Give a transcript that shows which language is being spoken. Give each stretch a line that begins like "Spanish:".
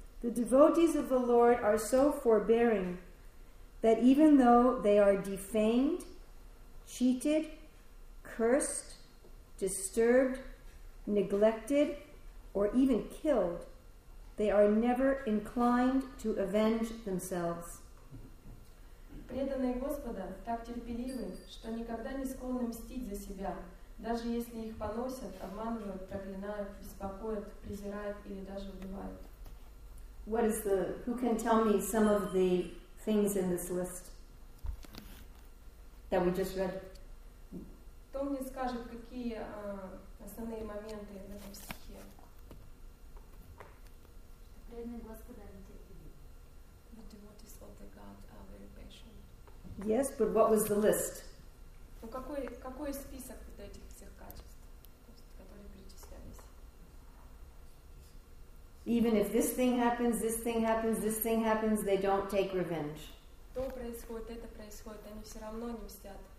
English: The devotees of the Lord are so forbearing that even though they are defamed, cheated, cursed, disturbed, neglected, or even killed, they are never inclined to avenge themselves.
Russian: Преданные Господа так терпеливы, что никогда не склонны мстить за себя, даже если их поносят, обманывают, проклинают, беспокоят, презирают или даже убивают.
English: What is the, who can tell me some of the things in this list that we just read?
Russian: Кто мне скажет, какие основные моменты в этом стихе?
English: The devotees of the God are very patient. Yes, but what was the list?
Russian: Ну какой список вот этих всех качеств, которые перечислялись?
English: Even if this thing happens, this thing happens, this thing happens, they don't take revenge.
Russian: То происходит, это происходит, они все равно не мстят.